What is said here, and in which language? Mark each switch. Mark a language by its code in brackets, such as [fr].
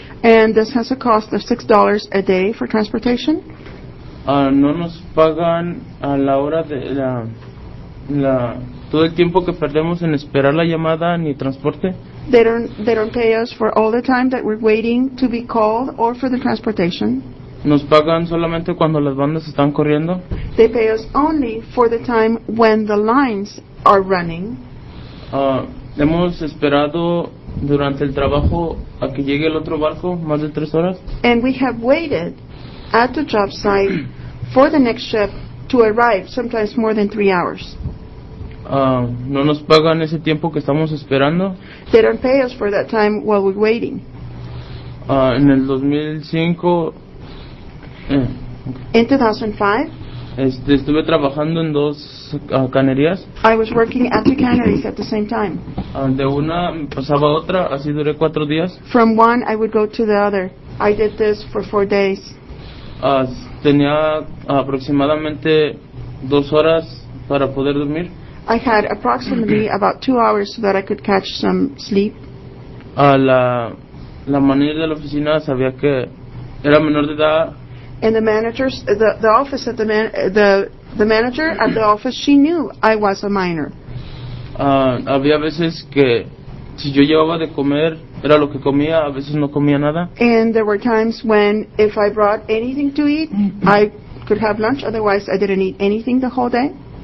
[en] And this has a cost of $6 a day for transportation. [es] No nos pagan a la hora de la todo el tiempo que perdemos en esperar la llamada ni transporte. [en] They don't pay us for all the time that we're waiting to be called or for the transportation. [es] Nos pagan solamente cuando las bandas están corriendo. [en] They pay us only for the time when the lines are running. [es] Hemos esperado durante el trabajo a que llegue el otro barco más de 3 horas. [en] And we have waited at the job site for the next ship to arrive, sometimes more than 3 hours. [es] No nos pagan ese tiempo que estamos esperando. [en] They don't pay us for that time while we're waiting. [es] En el 2005. [en] In 2005. [es] Estuve trabajando en dos canerías. [en] I was working at two canneries at the same time. [es] De una pasaba a otra, así duré 4 días. [en] From one I would go to the other. I did this for 4 days. [es] Tenía aproximadamente 2 horas para poder dormir. [en] I had approximately about 2 hours so that I could catch some sleep. [es] La manager de la oficina sabía que era menor de edad. [en] And the managers, the office at the manager at the office, she knew I was a minor. [es] Había veces que si yo llevaba de comer era lo que comía, a veces no comía nada. [en] And there were times when if I brought anything to eat, I could have lunch. Otherwise, I didn't eat anything the whole day.